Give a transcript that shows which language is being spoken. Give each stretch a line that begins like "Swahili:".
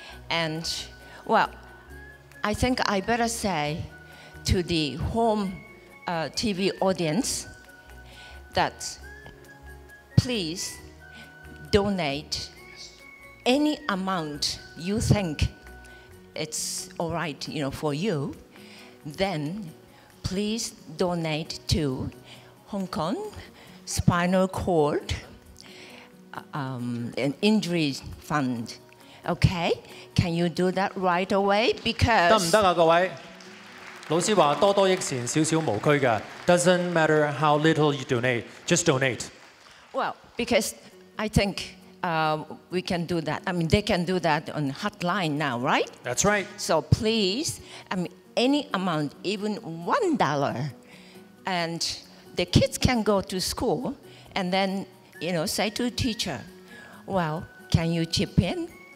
English: And, well, I think I better say to the home TV audience that please donate any amount you think it's all right, you know, for you, then please donate to Hong Kong Spinal Cord Injury Fund. Okay? Can you do that right away? Because
Chinese: 行不行啊，各位？老師說多多益善，少少無虧的。
English: Doesn't matter how little you donate, just donate. Well, because I think we can do that. I mean, they can do that on hotline now, right? That's right. So please, I mean, any amount, even $1, and the kids can go to school and then, you know, say to the teacher, well, can you chip in?